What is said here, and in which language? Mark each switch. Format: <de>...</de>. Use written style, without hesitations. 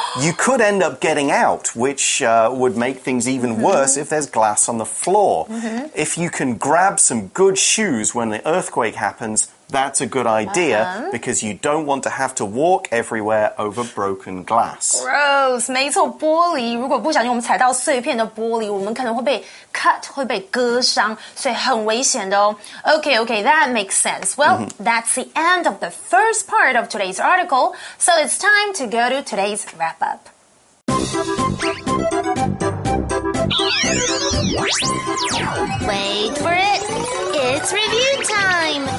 <en>You could end up getting out, which would make things even worse if there's glass on the floor. Mm-hmm. If you can grab some good shoes when the earthquake happens, that's a good idea, because you don't want to have to walk everywhere over broken glass.</en> <zh>Gross, 没错，玻璃，如果不小心我们踩到碎片的玻璃，我们可能会被 cut, 会被割伤，所以很危险的哦。</zh> <en>Okay, okay, that makes sense. Well, that's the end of the first part of today's article, so it's time to go to today's wrap-up. Wait for it. It's review time.</en>